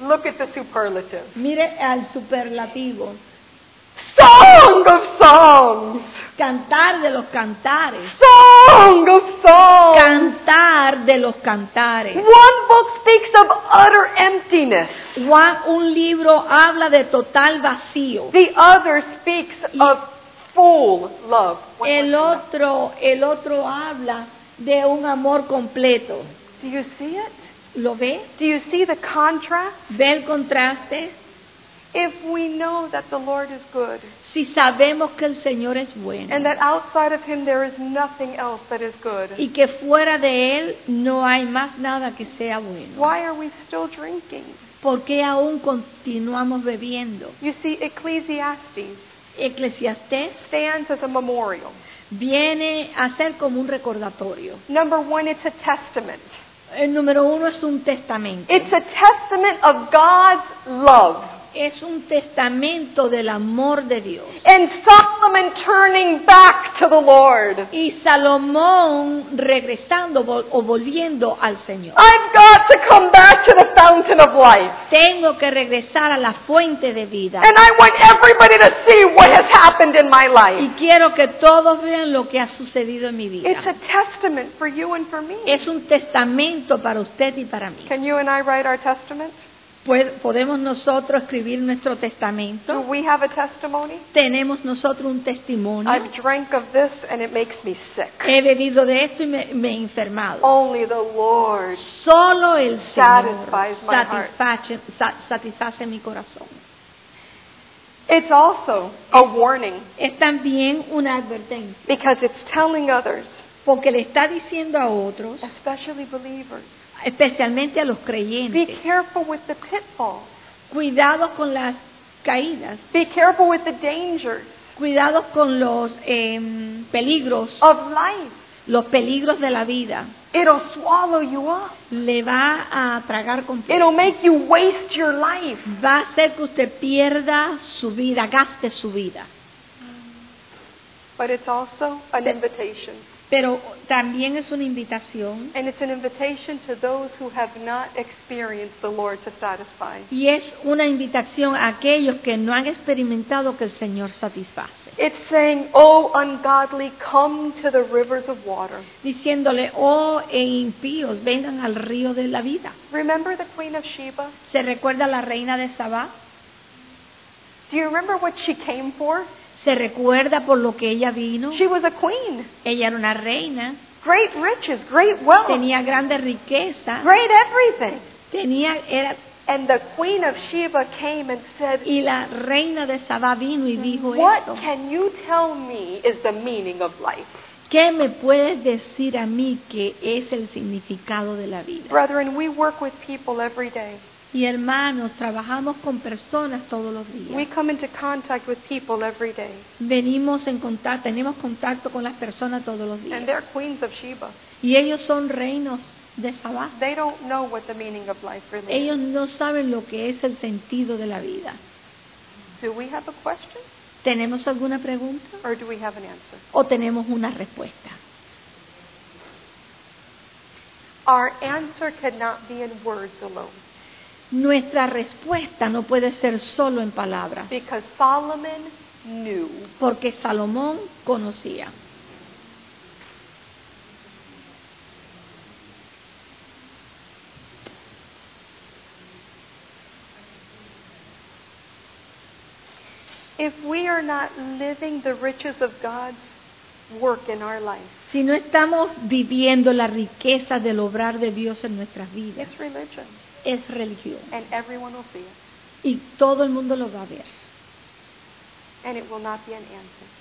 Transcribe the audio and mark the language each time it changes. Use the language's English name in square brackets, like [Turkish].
[English] Look at the superlative. [Spanish] Mire al superlativo. [English] Song of songs. [Spanish] Cantar de los cantares. [English] Song of songs. [Spanish] Cantar de los cantares. [English] One book speaks of utter emptiness. [Spanish] Un libro habla de total vacío. [English] The other speaks of full love. [Spanish] El otro habla de un amor completo. [English] Do you see it? [Spanish] ¿Lo ve? [English] Do you see the contrast? [Spanish] ¿Ve el contraste? [English] If we know that the Lord is good, [Spanish] si sabemos que el Señor es bueno, [English] and that outside of Him there is nothing else that is good, [Spanish] y que fuera de Él no hay más nada que sea bueno, [English] why are we still drinking? [Spanish] ¿Por qué aún continuamos bebiendo? [English] You see, Ecclesiastes, [Spanish] Eclesiastés [English] stands as a memorial. [Spanish] Viene a ser como un recordatorio. [English] Number one, it's a testament. [Spanish] El número uno es un testamento. [English] It's a testament of God's love. [Spanish] Es un testamento del amor de Dios. [English] And Solomon turning back to the Lord. [Spanish] Y Salomón regresando o volviendo al Señor. [English] I've got to come back to the fountain of life. [Spanish] Tengo que regresar a la fuente de vida. [English] And I want everybody to see what has happened in my life. [Spanish] Y quiero que todos vean lo que ha sucedido en mi vida. [English] It's a testament for you and for me. [Spanish] Es un testamento para usted y para mí. [English] Can you and I write our testament? [Spanish] ¿Podemos nosotros escribir nuestro testamento? [English] Do we have a testimony? [Spanish] ¿Tenemos nosotros un testimonio? [English] I've drank of this and it makes me sick. [Spanish] He bebido de esto y me he enfermado. [English] Only the Lord. [Spanish] Solo el [English] satisfies [Spanish] Señor satisface mi corazón. [English] It's also a warning. [Spanish] Es también una advertencia. [English] Because it's telling others. [Spanish] Porque le está diciendo a otros, [English] especially believers, [Spanish] especialmente a los creyentes. [English] Be careful with the pitfalls. [Spanish] Cuidado con las caídas. [English] Be careful with the dangers. [Spanish] Cuidado con los peligros. [English] Of life. [Spanish] Los peligros de la vida. [English] It'll swallow you up. [Spanish] Le va a tragar completo. [English] It'll make you waste your life. [Spanish] Va a hacer que usted pierda su vida, gaste su vida. [English] But it's also an invitation. [Spanish] Pero también es una invitación. [English] And it's an invitation to those who have not experienced the Lord to satisfy. [Spanish] Y es una invitación a aquellos que no han experimentado que el Señor satisface. [English] It's saying, "Oh ungodly, come to the rivers of water." [Spanish] Diciéndole, "Oh impíos, vengan al río de la vida." [English] Remember the Queen of Sheba? [Spanish] ¿Se recuerda la reina de Sabá? [English] Do you remember what she came for? [Spanish] ¿Se recuerda por lo que ella vino? [English] She was a queen. [Spanish] Ella era una reina. [English] Great riches, great wealth. [Spanish] Tenía grande riqueza. [English] Great everything. [Spanish] Tenía, era, [English] and the Queen of Sheba came and said, [Spanish] y la reina de Sabá vino y dijo, [English] what [Spanish] esto. [English] Can you tell me is the meaning of life? [Spanish] ¿Qué me puedes decir a mí que es el significado de la vida? [English] Brethren, we work with people every day. [Spanish] Y hermanos, trabajamos con personas todos los días. [English] We come into contact with people every day. [Spanish] Venimos en contacto, tenemos contacto con las personas todos los días. [English] And they're queens of Sheba. [Spanish] Y ellos son reinos de Sabá. [English] They don't know what the meaning of life really is. [Spanish] Ellos no saben lo que es el sentido de la vida. [English] Do we have a question? [Spanish] ¿Tenemos alguna pregunta? [English] Or do we have an answer? [Spanish] ¿O tenemos una respuesta? [English] Our answer cannot be in words alone. [Spanish] Nuestra respuesta no puede ser solo en palabras. [English] Because Solomon knew. [Spanish] Porque Salomón conocía. [English] If we are not living the riches of God's work in our life. [Spanish] Si no estamos viviendo la riqueza del obrar de Dios en nuestras vidas. [English] It's religion. [Spanish] Es religión. [English] And everyone will see it. [Spanish] Y todo el mundo lo va a ver. [English] And it will not be an answer.